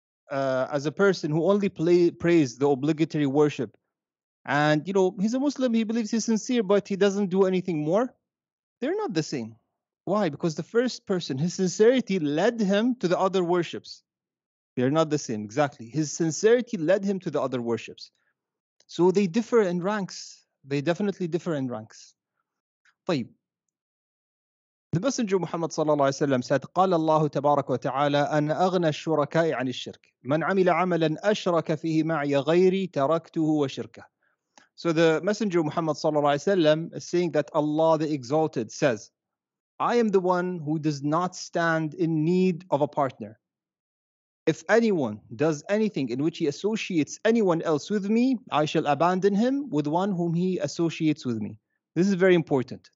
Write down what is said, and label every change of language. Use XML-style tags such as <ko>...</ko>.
<en>as a person who only prays the obligatory worship, and you know, he's a Muslim, he believes he's sincere, but he doesn't do anything more, they're not the same. Why? Because the first person, his sincerity led him to the other worships. They're not the same, exactly. His sincerity led him to the other worships. So they differ in ranks. They definitely differ in ranks.</en> <ar>طيب.</ar> <en>The Messenger Muhammad</en> <ar>صلى الله عليه وسلم</ar> <en>said,</en> <ar>قال الله تبارك وتعالى أن أغنى الشركاء عن الشرك. من عمل عملا أشرك فيه معي غيري تركته وشركه.</ar> <en>So the Messenger Muhammad صلى الله عليه وسلم is saying that Allah the Exalted says, I am the one who does not stand in need of a partner. If anyone does anything in which he associates anyone else with me, I shall abandon him with one whom he associates with me. This is very important.</en>